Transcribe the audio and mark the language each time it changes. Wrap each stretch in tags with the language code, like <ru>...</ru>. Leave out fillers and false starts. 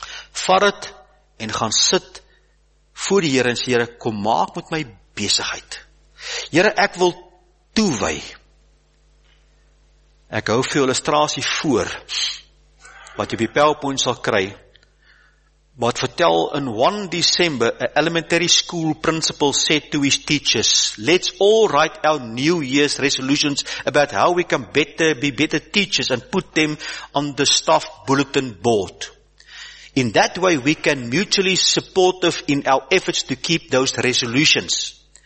<af>Vat dit en gaan sit voor die Here en sê, Here, kom maak met my besigheid. Here, ek wil toewy. Ek hou vir jou illustrasie voor, wat jy op die PowerPoint sal kry, wat vertel in</af> <en>1 December, a elementary school principal said to his teachers, let's all write our New Year's resolutions about how we can better be better teachers and put them on the staff bulletin board. In that way, we can mutually supportive in our efforts to keep those resolutions.</en>